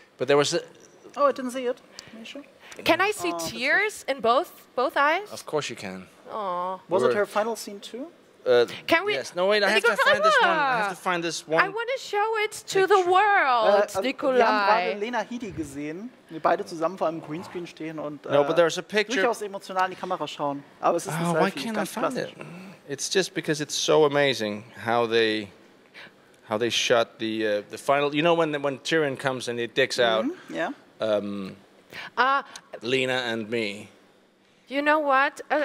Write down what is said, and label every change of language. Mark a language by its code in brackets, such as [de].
[en] But there was I didn't see it. Can I see tears in both eyes? Of course you can. Aww. Was it her final scene too? Can we? Yes. No, wait. I have to find this one. I want to show it to the world, Nikolai. [de] Wir haben gerade Lena Headey gesehen. Wir beide zusammen vor einem Greenscreen stehen und [en] But there's a picture. [de] Durchaus emotional in die Kamera schauen. Aber es ist ein Selfie. [en] Why can't I find it? It's just because it's so amazing how they shot the final. You know when Tyrion comes and it dicks out. Mm-hmm. Yeah. Lena and me. You know what?